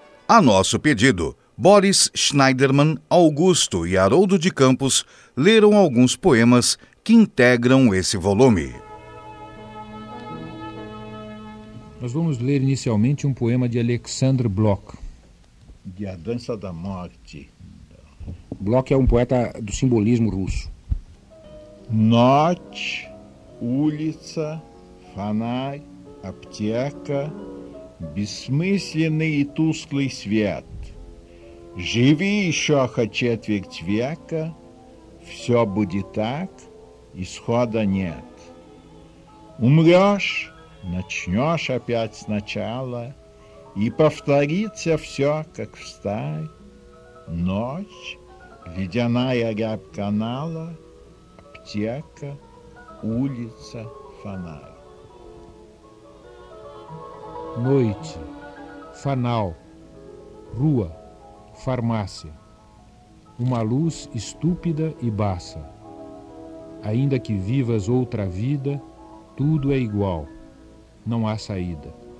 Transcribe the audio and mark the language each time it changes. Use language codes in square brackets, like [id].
[pt] A nosso pedido, Boris Schneiderman, Augusto e Haroldo de Campos leram alguns poemas que integram esse volume. Nós vamos ler inicialmente um poema de Alexander Bloch. De A Dança da Morte. Bloch é um poeta do simbolismo russo. [ru] Noite, улица, фонарь, аптека, бессмысленный и тусклый свет. Живи еще хоть четверть века, все будет так, исхода нет. Умрешь, начнешь опять сначала, и повторится все, как встарь. Ночь, ледяная рябь канала, аптека, улица, фонарь. [pt] Noite, fanal, rua, farmácia, uma luz estúpida e baça. Ainda que vivas outra vida, tudo é igual, não há saída.